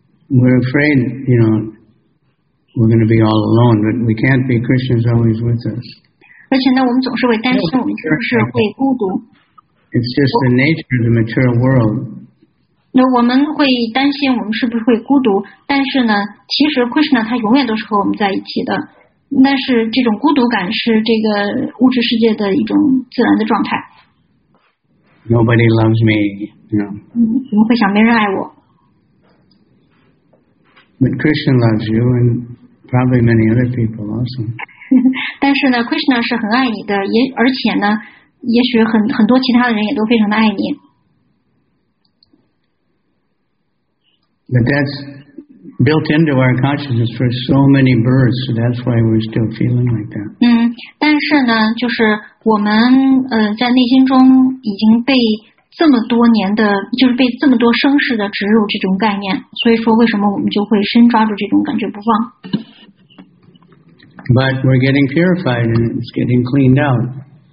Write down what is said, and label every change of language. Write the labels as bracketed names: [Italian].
[English] We're afraid, you know, we're going to be all alone, but we can't be. Krishna's always with us. [Chinese] 而且呢，我们总是会担心，我们是不是会孤独。 [English] It's just the nature of the material world. [Chinese] 那我们会担心我们是不是会孤独，但是呢，其实 Krishna 他永远都是和我们在一起的。那是这种孤独感是这个物质世界的一种自然的状态。 [English] Nobody loves me, you know. [Chinese] 怎么会想没人爱我？ [English] But Krishna loves you and probably many other people also. [Chinese] 但是呢 ，Krishna 是很爱你的，也而且呢，也许很多其他的人也都非常的爱你。 [English] But that's built into our consciousness for so many births, so that's why we're still feeling like that. [Chinese] 嗯，但是呢，就是我们在内心中已经被这么多年的，就是被这么多生世的植入这种概念，所以说为什么我们就会深抓住这种感觉不放 [English] ？But we're getting purified and it's getting cleaned out.